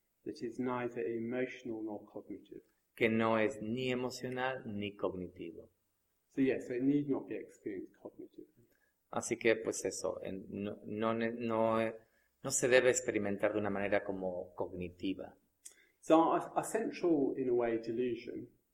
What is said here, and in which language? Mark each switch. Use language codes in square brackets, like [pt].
[en] That is neither emotional nor cognitive. [es] Que no es ni emocional ni cognitivo. [en] So yes, so it need not be experienced cognitively. [es] Así que pues eso, no se debe experimentar de una manera como cognitiva. [en] So a central, in a way, delusion.